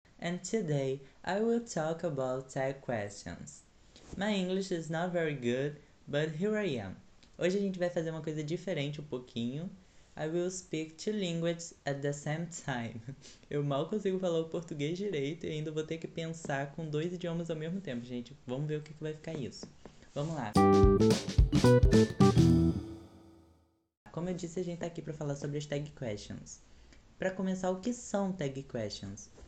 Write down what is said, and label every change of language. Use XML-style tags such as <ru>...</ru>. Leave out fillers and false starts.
<en>And today I will talk about tech questions. My English is not very good, but here I am.</en> <pt>Hoje a gente vai fazer uma coisa diferente um pouquinho.</pt> <en>I will speak two languages at the same time.</en> <pt>Eu mal consigo falar o português direito e ainda vou ter que pensar com dois idiomas ao mesmo tempo, gente. Vamos ver o que vai ficar isso. Vamos lá. Como eu disse, a gente está aqui para falar sobre as tag questions. Para começar, o que são tag questions?</pt>